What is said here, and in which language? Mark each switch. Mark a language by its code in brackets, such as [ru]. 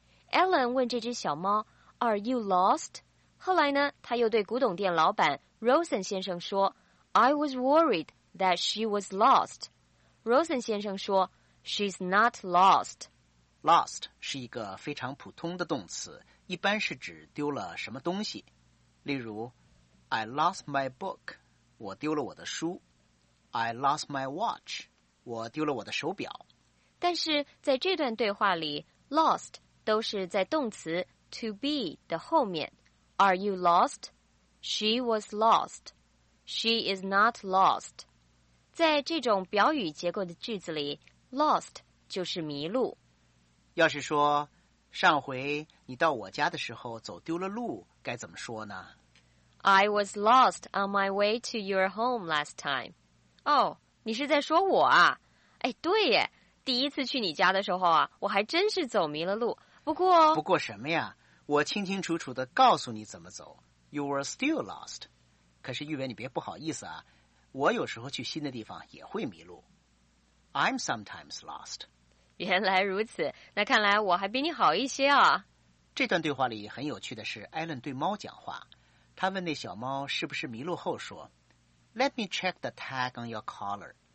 [zh] Ellen 问这只小猫 , [en] Are you lost? [zh] 后来呢，他又对古董店老板 Rosen 先生说 [en] I was worried that she was lost. Rosen [zh] 先生说 [en] She's not lost. [zh] Lost 是一个非常普通的动词，一般是指丢了什么东西。例如 [en] I lost my book. [zh] 我丢了我的书。 [en] I lost my watch. [zh] 我丢了我的手表。但是在这段对话里 lost 都是在动词 to be 的后面。 [en] Are you lost? She was lost. She is not lost. [zh] 在这种表语结构的句子里 ,lost 就是迷路。要是说上回你到我家的时候走丢了路该怎么说呢 [en] ?I was lost on my way to your home last time. [zh] 哦、oh, 你是在说我啊哎对耶第一次去你家的时候啊我还真是走迷了路。不过什么呀我清清楚楚地告诉你怎么走。 [en] You were still lost. [zh] 可是玉伟你别不好意思啊。我有时候去新的地方也会迷路。 [en] I'm sometimes lost. [zh] 原来如此。那看来我还比你好一些啊。这段对话里很有趣的是艾伦对猫讲话。他问那小猫是不是迷路后说 [en] Let me check the tag on your collar.